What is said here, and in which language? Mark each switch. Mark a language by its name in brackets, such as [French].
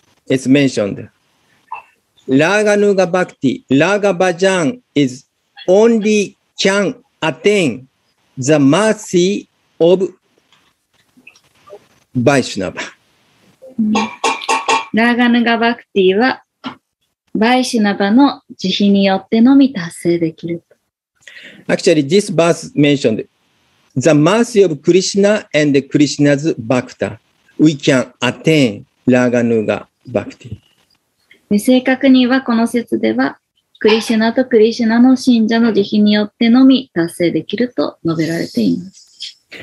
[English] It's mentioned. ラーガヌガバクティ、ラーガバジャン is only can attain the mercy of Vaishnava. [Japanese] ラーガヌガバクティはバイシュナバの慈悲によってのみ達成できる。 [English] Actually, this verse mentioned the mercy of Krishna and Krishna's Bhakta. We can attain ラーガヌガバクティ [Japanese] 正確にはこの説では、クリシュナとクリシュナの信者の慈悲によってのみ達成できると述べられています。